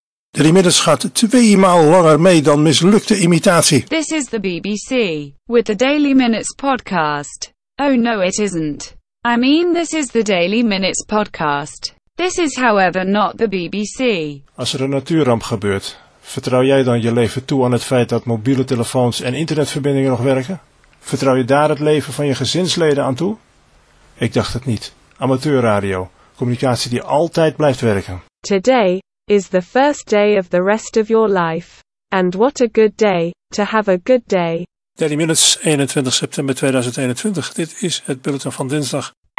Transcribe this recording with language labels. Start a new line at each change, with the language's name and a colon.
Dutch: Die inmiddels gaat twee maal langer mee dan mislukte imitatie.
English: This is the BBC, with the Daily Minutes podcast. Oh no, it isn't. I mean, this is the Daily Minutes podcast. This is however not the BBC.
Dutch: Als er een natuurramp gebeurt, vertrouw jij dan je leven toe aan het feit dat mobiele telefoons en internetverbindingen nog werken? Vertrouw je daar het leven van je gezinsleden aan toe? Ik dacht het niet. Amateurradio, communicatie die altijd blijft werken.
English: Today is the first day of the rest of your life. And what a good day, to have a good day. 30 minutes, 21 september 2021.
Dutch: Dit is het bulletin van dinsdag.